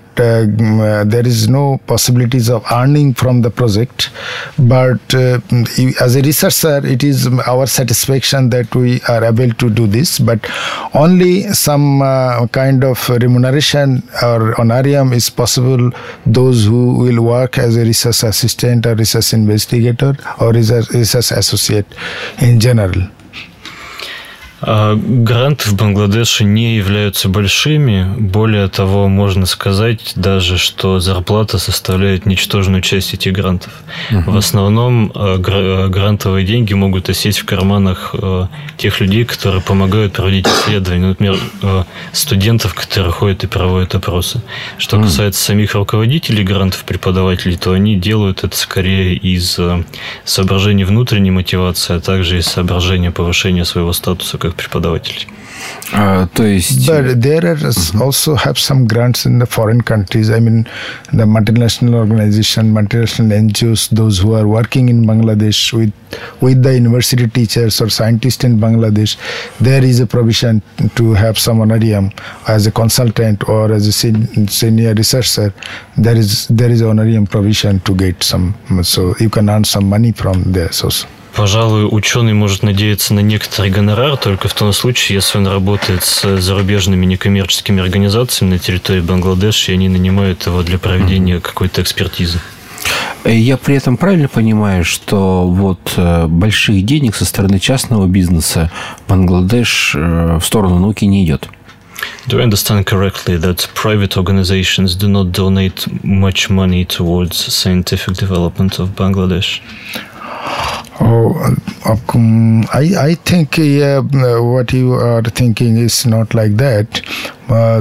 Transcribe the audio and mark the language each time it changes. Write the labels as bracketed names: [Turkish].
[English] There is no possibilities of earning from the project, but as a researcher, it is our satisfaction that we are able to do this, but only some kind of remuneration or honorarium is possible those who will work as a research assistant or research investigator or research associate in general. [Russian] Гранты в Бангладеше не являются большими. Более того, можно сказать даже, что зарплата составляет ничтожную часть этих грантов. В основном грантовые деньги могут осесть в карманах тех людей, которые помогают проводить исследования. Например, студентов, которые ходят и проводят опросы. Что касается самих руководителей грантов, преподавателей, то они делают это скорее из соображений внутренней мотивации, а также из соображения повышения своего статуса как преподавателей. То есть... [English] But there are also have some grants in the foreign countries. I mean, the multinational organization, multinational NGOs, those who are working in Bangladesh with the university teachers or scientists in Bangladesh, there is a provision to have some honorarium as a consultant or as a senior researcher. There is honorarium provision to get some, so you can earn some money from there also. [Russian] Пожалуй, ученый может надеяться на некоторый гонорар только в том случае, если он работает с зарубежными некоммерческими организациями на территории Бангладеш, и они нанимают его для проведения какой-то экспертизы. Я при этом правильно понимаю, что вот больших денег со стороны частного бизнеса Бангладеш в сторону науки не идет? [English] Do I understand correctly that private organizations do not donate much money towards scientific development of Bangladesh? I think what you are thinking is not like that.